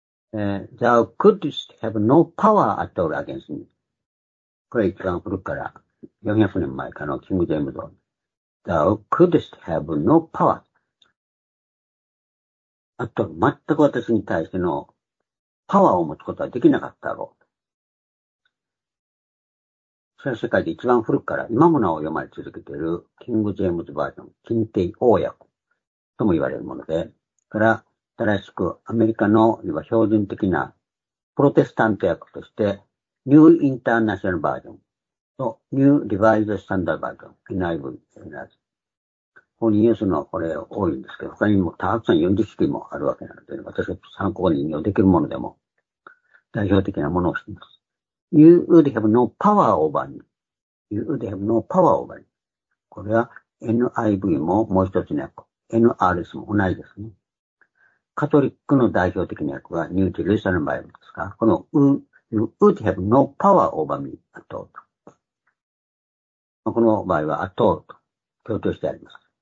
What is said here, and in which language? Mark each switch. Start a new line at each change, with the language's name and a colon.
English: Thou couldst have no power at all against me.
Japanese: これ一番古くから、400年前からのキング・ジェームズ。
English: Thou couldst have no power at all.
Japanese: 全く私に対してのパワーを持つことはできなかったろう。それは世界で一番古くから、今もなお読まれ続けているキング・ジェームズバージョン、禁帝王訳とも言われるもので、から、新しくアメリカの標準的なプロテスタント訳としてニューインターナショナルバージョンとニューリバイズスタンダードバージョン NIV になる。ここに言うのはこれ多いんですけど、他にもたくさん40式もあるわけなので、私は参考に引用できるものでも代表的なものをしています。
English: You would have no power over me. You would have no power over me.
Japanese: これは NIV ももう一つの訳、NRS も同じですね。カトリックの代表的な役はニュージェルサルバイブですが、この
English: You would have no power over me at all
Japanese: と。この場合は
English: at all
Japanese: と強調してあります。